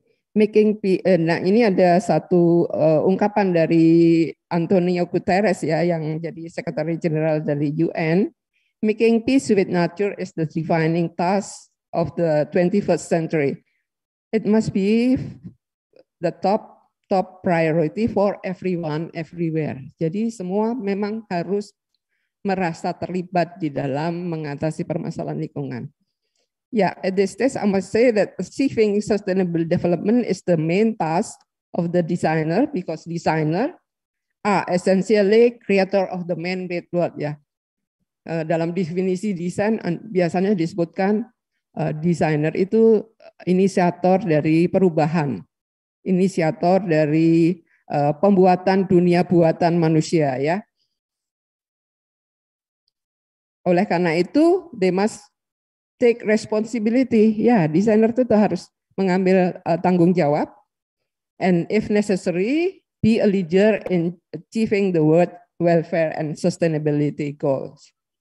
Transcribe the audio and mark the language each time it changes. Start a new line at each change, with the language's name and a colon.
Indonesian: Ini ada satu ungkapan dari Antonio Guterres ya, yang jadi Sekretaris Jenderal dari UN.
English: Making peace with nature is the defining task of the 21st century. It must be the top priority for everyone, everywhere.
Indonesian: Jadi semua memang harus merasa terlibat di dalam mengatasi permasalahan lingkungan.
English: Yeah, at this stage, I must say that achieving sustainable development is the main task of the designer because designer are essentially creator of the man-made world. Yeah.
Indonesian: Dalam definisi desain, biasanya disebutkan desainer itu inisiator dari perubahan, inisiator dari pembuatan dunia buatan manusia. Ya. Oleh karena itu,
English: they must take responsibility.
Indonesian: Ya, desainer itu harus mengambil tanggung jawab.
English: And if necessary, be a leader in achieving the world welfare and sustainability goals.